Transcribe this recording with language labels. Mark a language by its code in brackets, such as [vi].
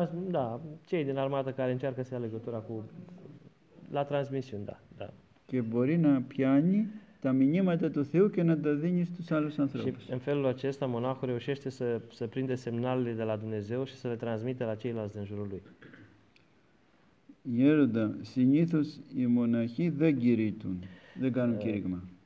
[ro] Da, cei din armată care încearcă să ia legătura cu la transmisiune, da, da. [el] Και μπορεί να πιάνει τα μηνύματα του Θεού και να τα δίνει στους άλλους ανθρώπους. [ro] Și în felul acesta, monahul reușește să prinde semnalele de la Dumnezeu și să le transmite la ceilalți din jurul lui. [el] Ιέροντα, συνήθως οι μοναχοί δεν κηρύττουν, δεν κάνουν κήρυγμα.